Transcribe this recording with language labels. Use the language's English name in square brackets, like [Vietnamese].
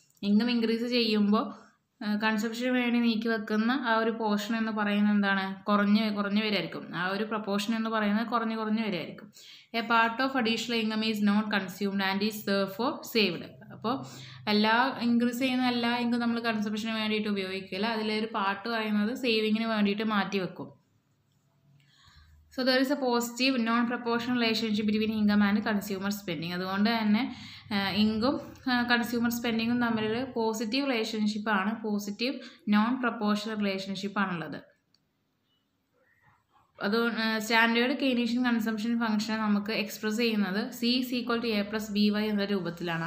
[Malayalam] Income increase ചെയ്യുമ്പോൾ കൺസംഷന് വേണ്ടി നീക്കി വെക്കുന്ന ആ ഒരു പോർഷൻ എന്ന് പറയുന്നത് എന്താണ്, കുറഞ്ഞ് കുറഞ്ഞ് വരായിരിക്കും. ആ ഒരു പ്രൊപ്പോർഷൻ എന്ന് പറയുന്നത് കുറഞ്ഞ് കുറഞ്ഞ് വരായിരിക്കും. [English] A part of additional income is not consumed and is therefore saved. [Malayalam] അപ്പോൾ എല്ലാ ഇൻക്രീസ് ചെയ്യുന്ന എല്ലാ ഇൻകം നമ്മൾ കൺസംഷന് വേണ്ടിയിട്ട് ഉപയോഗിക്കില്ല, അതിലൊരു പാർട്ട് പറയുന്നത് സേവിങ്ങിന് വേണ്ടിയിട്ട് മാറ്റിവെക്കും. [English] So there is a positive non-proportional relationship between income and consumer spending. [Malayalam] അതുകൊണ്ട് തന്നെ ഇൻകം കൺസ്യൂമർ സ്പെൻഡിങ്ങും തമ്മിലൊരു പോസിറ്റീവ് റിലേഷൻഷിപ്പ് ആണ്, പോസിറ്റീവ് നോൺ പ്രൊപ്പോർഷണൽ റിലേഷൻഷിപ്പ് ആണുള്ളത്. അതുകൊണ്ട് സ്റ്റാൻഡേർഡ് കെയ്നീഷ്യൻ കൺസംഷൻ ഫംഗ്ഷൻ നമുക്ക് എക്സ്പ്രസ് ചെയ്യുന്നത് [English] C is equal to A plus B Y [Malayalam] എന്ന രൂപത്തിലാണ്.